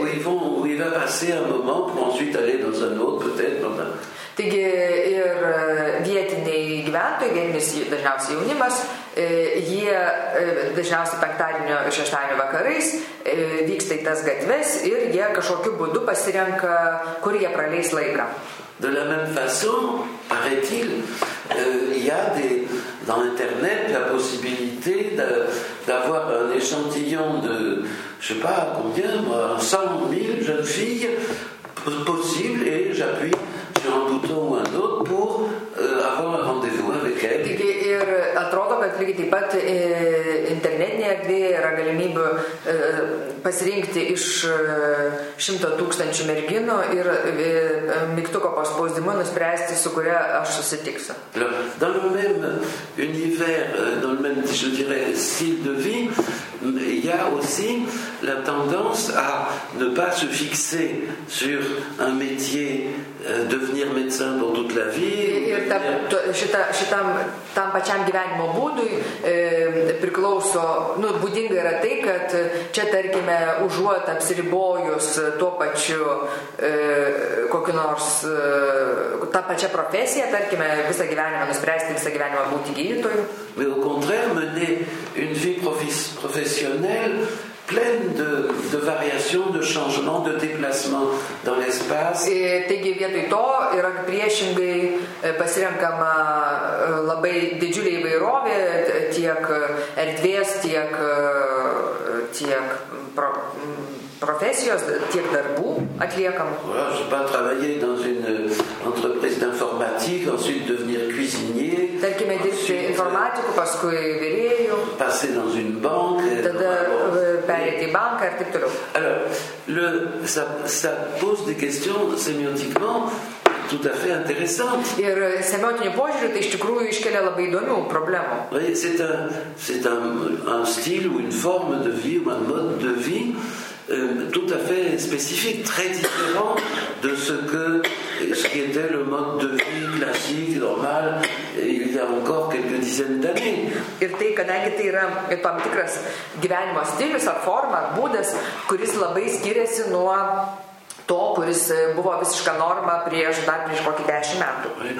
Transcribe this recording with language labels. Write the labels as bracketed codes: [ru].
[fr] où, ils vont, où il va passer un moment pour ensuite aller dans un autre peut-être. [lt] Taigi ir vietiniai gyventojai, vienis dažniausiai jaunimas, jie dažniausiai penktadienio ir šeštadienio vakarais vyksta į tas gatves ir jie kažkokiu būdu pasirenka, kur jie praleis laiką. [fr] De la même façon, paraît-il, il y a des, dans Internet la possibilité de, d'avoir un échantillon de, je sais pas combien, 100 000 jeunes filles possibles et j'appuie sur un bouton ou un autre pour avoir un rendez-vous avec elles. [lt] Ir atrodo, kad lygiai taip pat internetinė erdvė yra galimybė pasirinkti iš 100 000 merginų ir mygtuko paspausdimu nuspręsti, su kuria aš susitiksiu. [fr] Dans le même univers, dans le même, je dirais, style de vie, il y a aussi la tendance à ne pas se fixer sur un métier devenir médecin pour toute la vie. [lt] Ir tam pačiam gyvenimo būdui priklauso, nu, būdinga yra tai, kad čia, tarkime, užuot apsiribojus tuo pačiu kokiu nors tą pačią profesiją, tarkime, visą gyvenimą nuspręsti, visą gyvenimą būti gydytoju. [fr] Mais au contraire, mener une vie professionnelle pleine de variations, de changements, de déplacements dans l'espace. [lt] Et taigi vietoj to yra priešingai pasirenkama labai didžiulė įvairovė tiek erdvės, tiek profesijos, tiek darbų atliekam. [fr] Je peux travailler dans une entreprise d'informatique, ensuite devenir cuisinier. [lt] Tarkime dirbti informatiku, paskui virėju. [fr] Passer dans une banque. [lt] Tada pereiti į banką ir taip toliau. [fr] Alors, ça pose des questions sémiotiquement tout à fait intéressantes. [lt] Ir sémiotiniu požiūriu tai iš tikrųjų iškelia labai įdomių problemų. [fr] Oui, c'est un style ou une forme de vie ou un mode de vie tout à fait spécifique, très différent de ce qui était le mode de vie classique, normal, il y a encore quelques dizaines d'années. [lt] Ir tai, kadangi tai yra tam tikras gyvenimo stilius ar forma, ar būdas, kuris labai skiriasi nuo to, kuris buvo visiška norma prieš dar prieš kokį 10 metų.